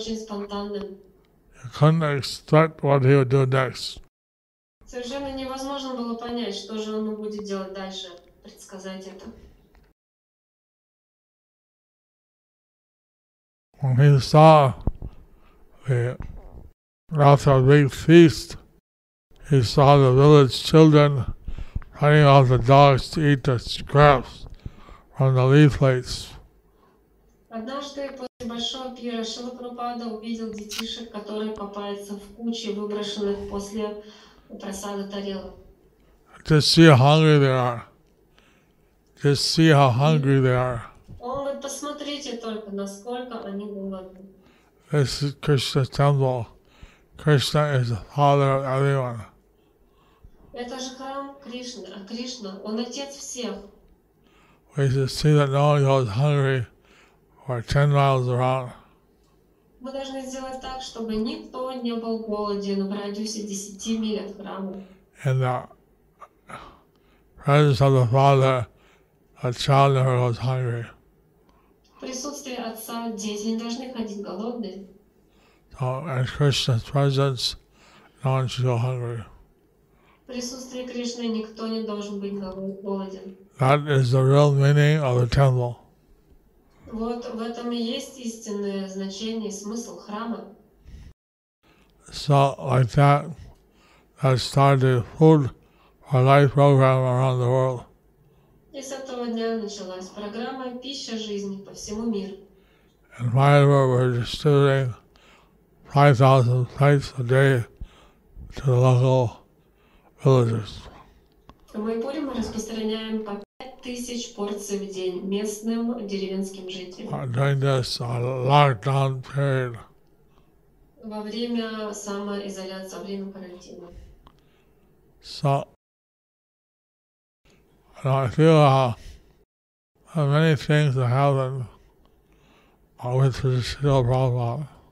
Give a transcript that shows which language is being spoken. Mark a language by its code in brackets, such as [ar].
[en] You couldn't expect what he would do next. [ru] Совершенно невозможно было понять, что же он будет делать дальше, предсказать это. [en] When he saw the after a big feast, he saw the village children hunting off the dogs to eat the scraps from the leaflets. [ru] Однажды после большого пира Шрила Прабхупада увидел детишек, которые попались в куче выброшенных после просады тарелок. [en] Just see how hungry they are. [ru] Oh, вы посмотрите только, насколько они голодны. [en] This is Krishna's temple. Krishna is the father of everyone. [ru] Это же храм Кришны, а Кришна, он отец всех. [en] We just see that no one goes hungry for 10 miles around. [ru] Мы должны сделать так, чтобы никто не был голоден в радиусе 10 миль от храма. [en] And the presence of the father, a child never goes hungry. [ru] Присутствие отца, дети не должны ходить голодные. [en] So in Krishna's presence, no one should go hungry. [ru] Присутствие Кришны никто не должен быть голоден. [en] That is the real meaning of the temple. [ru] Вот в этом и есть истинное значение и смысл храма. [en] So like that, that started food for life program around the world. [ru] И с этого дня началась программа «Пища жизни» по всему миру. [en] And Mayapur were distributing 5,000 plates a day to the local villages. [ru] В Майпуре мы распространяем по 5,000 порций в день местным деревенским жителям. [en] During this lockdown period. [ru] Во время самоизоляции, во время карантина. [en] So, and I feel how many things that happen with Srila Prabhupada.